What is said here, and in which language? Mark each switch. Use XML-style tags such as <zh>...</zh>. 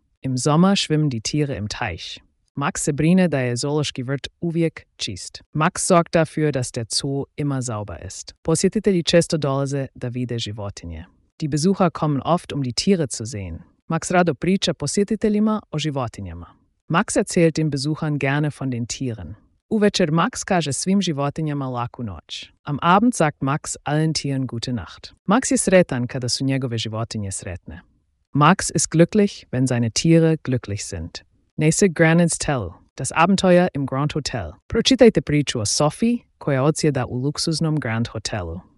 <de>Im Sommer schwimmen die Tiere im Teich.</de> <hr>Max se brine da je zoološki vrt uvijek čist.</hr> <de>Max sorgt dafür, dass der Zoo immer sauber ist.</de> <hr>Posjetitelji često dolaze da vide životinje.</hr> <de>Die Besucher kommen oft, um die Tiere zu sehen.</de> <hr>Max rado priča posjetiteljima o životinjama.</hr> <de>Max erzählt den Besuchern gerne von den Tieren.</de> <hr>Uvečer Max kaže svim životinjama laku noć.</hr> <de>Am Abend sagt Max allen Tieren gute Nacht.</de> <hr>Max je sretan kada su njegove životinje sretne.</hr> <de>Max ist glücklich, wenn seine Tiere glücklich sind. Nese Granite's Tell, das Abenteuer im Grand Hotel.</de> <hr>Pročitajte priču o Sophie, koja odsjeda u luksuznom Grand Hotelu.</hr>